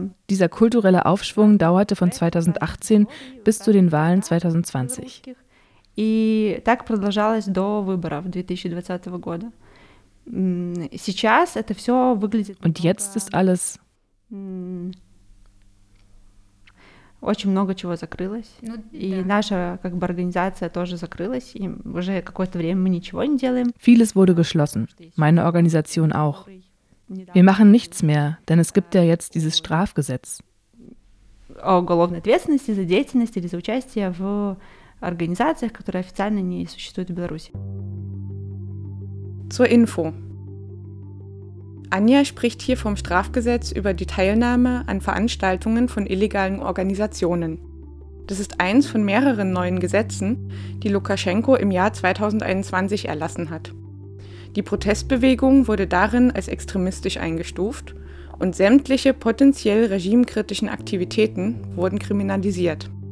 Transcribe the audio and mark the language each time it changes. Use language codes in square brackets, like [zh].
[de] Dieser kulturelle Aufschwung dauerte von 2018 bis zu den Wahlen 2020. [ru] И так продолжалось до выборов 2020 года. Сейчас это все выглядит... [de] Und jetzt ist alles... [ru] Очень много чего закрылось. Ну, и да. Наша как бы организация тоже закрылась. И уже какое-то время мы ничего не делаем. [de] Vieles wurde geschlossen. Meine Organisation auch. Wir machen nichts mehr, denn es gibt ja jetzt dieses Strafgesetz. [ru] О уголовной ответственности за деятельность или за участие в... Организациях, которые официально не существуют в Беларуси. [de] Zur Info. Anja spricht hier vom Strafgesetz über die Teilnahme an Veranstaltungen von illegalen Organisationen. Das ist eins von mehreren neuen Gesetzen, die Lukaschenko im Jahr 2021 erlassen hat. Die Protestbewegung wurde darin als extremistisch eingestuft und sämtliche potenziell regimekritischen Aktivitäten wurden kriminalisiert.